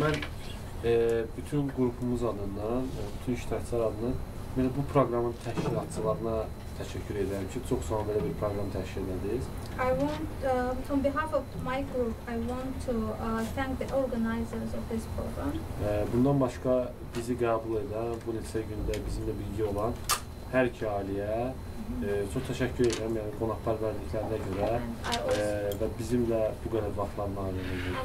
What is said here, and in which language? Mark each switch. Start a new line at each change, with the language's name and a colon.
Azerbaijani: Hemen bütün grubumuz adından, bütün iştirakçılar adından mesela bu programın təşkilatçılarına təşəkkür edirəm ki, çox sağ olun belə bir proqram təşkil edirsiniz.
English: I want on behalf of my group I want to thank the organizers of this program.
Azerbaijani: Bundan başqa bizi qəbul edən bu neçə gündə bizimlə birlikdə olan hər iki ailəyə çox təşəkkür edirəm, yəni qonaqlar verdiklərinə görə və bizimlə bu qədər vaxtlarını ayırdığınız üçün.